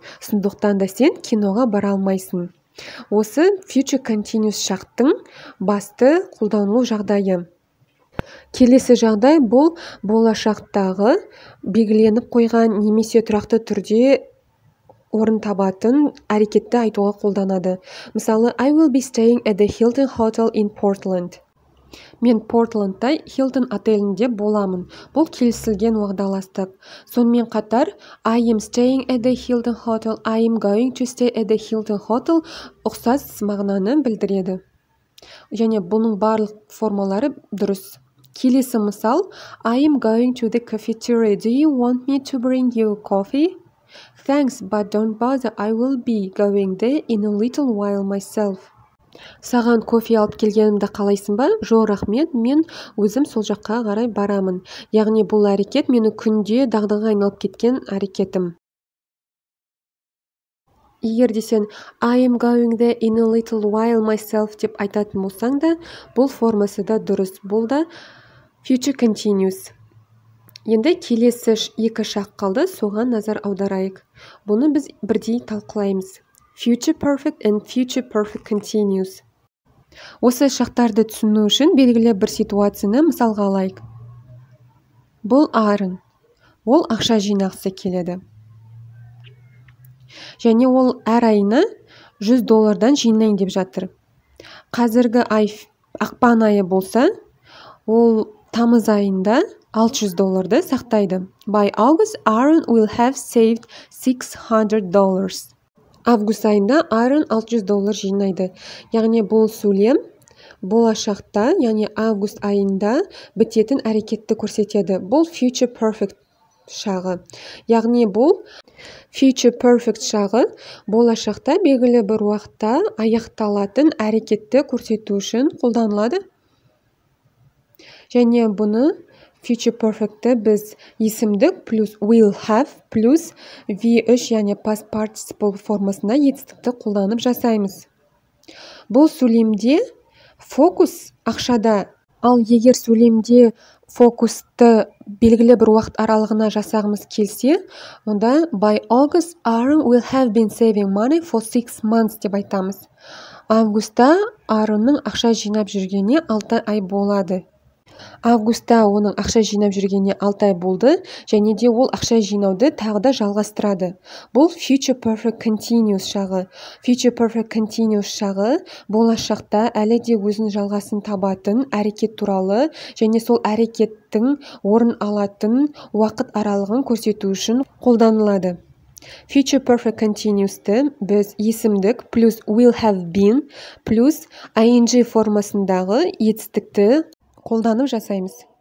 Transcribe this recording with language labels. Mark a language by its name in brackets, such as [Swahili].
[Kazakh] Сондықтан да сен киноға бара алмайсың. Осы future continuous шақтың басты қолданылу жағдайы. Келесі жағдай бұл болашақтағы белгіленіп қойған немесе тұрақты түрде орын табатын әрекетті айтуға қолданады. Мысалы, [English] I will be staying at the Hilton Hotel in Portland. [Kazakh] Мен Портландта Hilton отелінде боламын. Бұл келісілген уағдаластық. Сонымен қатар, [English] I am staying at the Hilton Hotel, I am going to stay at the Hilton Hotel [Kazakh] ұқсас мағынаны білдіреді. Және бұның барлық формалары дұрыс. Келесі мысал, [English] I am going to the cafeteria. Do you want me to bring you coffee? Thanks, but don't bother. I will be going there in a little while myself. [Kazakh] Саған кофе алып келгенімді қалайсың ба? Жоқ, рахмет, мен өзім сол жаққа қарай барамын. Яғни бұл әрекет мені күнде дағдыға айналып кеткен әрекетім. Егер десен, [English] I am going there in a little while myself [Kazakh] деп айтатын болсаң да, бұл формасы да дұрыс. Бұл да future continuous. Енді келесі екі шақ қалды, соған назар аударайық. Бұны біз бірдей талқылаймыз. [English] Future perfect and future perfect continuous. [Kazakh] Осы шақтарды түсіну үшін белгілі бір ситуацияны мысалға алайық. Бұл Арын. Ол ақша жинақсы келеді. Және ол әр айына 100 доллардан жинайын деп жатыр. Қазіргі ай ақпан айы болса, ол тамыз айында 600 долларды сақтайды. [English] By August, Aaron will have saved $600. [Kazakh] Август айында Aaron 600 доллар жинайды. Яғни бұл сөйлем болашақта, яғни август айында бітетін әрекетті көрсетеді. Бұл future perfect шағы. Яғни бұл future perfect шағы болашақта белгілі бір уақытта аяқталатын әрекетті көрсету үшін қолданылады. Және бұны future perfect-ті біз есімдік плюс will have плюс V3 және past participle формасында етістікті қолданып жасаймыз. Бұл сөйлемде фокус ақшада. Ал егер сөйлемде фокусты белгілі бір уақыт аралығына жасағымыз келсе, онда [English] by August, Aaron will have been saving money for 6 months [Kazakh] деп айтамыз. Августта Aaron-ның ақша жинап жүргеніне 6 ай болады. Августта оның ақша жинап жүргеніне 6 ай болды, және де ол ақша жинауды тағы да жалғастырады. Бұл future perfect continuous шағы. Future perfect continuous шағы болашақта әлі де өзін жалғасын табатын әрекет туралы, және сол әрекеттің орын алатын уақыт аралығын көрсету үшін қолданылады. Future perfect continuous-ті біз есімдік плюс will have been плюс ing формасындағы етістікті қолданып жасаймыз.